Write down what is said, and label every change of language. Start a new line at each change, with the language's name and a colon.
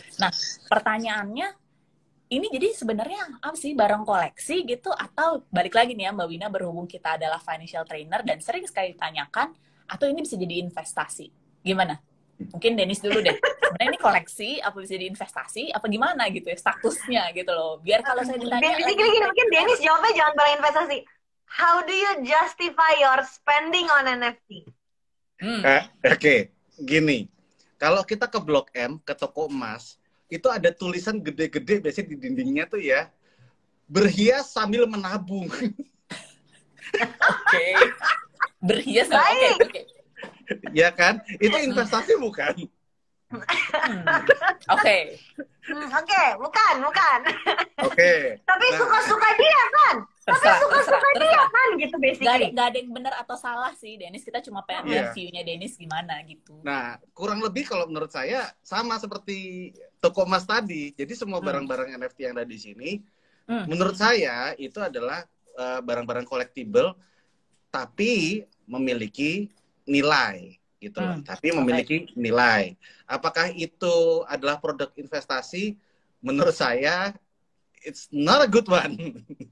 Indonesian: Nah, pertanyaannya ini jadi sebenarnya apa sih, barang koleksi gitu atau balik lagi nih ya Mbak Wina, berhubung kita adalah financial trainer dan sering sekali ditanyakan, atau ini bisa jadi investasi? Gimana? Mungkin Dennis dulu deh. Sebenarnya ini koleksi, apa bisa jadi investasi, apa gimana gitu ya, statusnya gitu loh. Biar kalau saya ditanya gini, mungkin Dennis jawabnya jangan barang investasi.
English: How do you justify your spending on NFT?
Indonesian: Oke, gini. Kalau kita ke Blok M, ke toko emas, itu ada tulisan gede-gede biasanya di dindingnya tuh ya, berhias sambil menabung. Oke. Berhias sambil menabung. Baik. Okay. Ya kan? Itu investasi bukan? Oke. Oke, bukan. Oke. Okay. Tapi suka-suka dia kan? Tapi suka-suka dia kan? Gitu basically. Gak ada yang benar atau salah sih, Dennis. Kita cuma pengen lihat view-nya Dennis gimana gitu. Nah, kurang lebih kalau menurut saya, sama seperti toko emas tadi. Jadi semua barang-barang NFT yang ada di sini, menurut saya itu adalah barang-barang collectible, tapi memiliki nilai gitu, tapi memiliki nilai. Apakah itu adalah produk investasi? Menurut saya,
English: it's not a good one.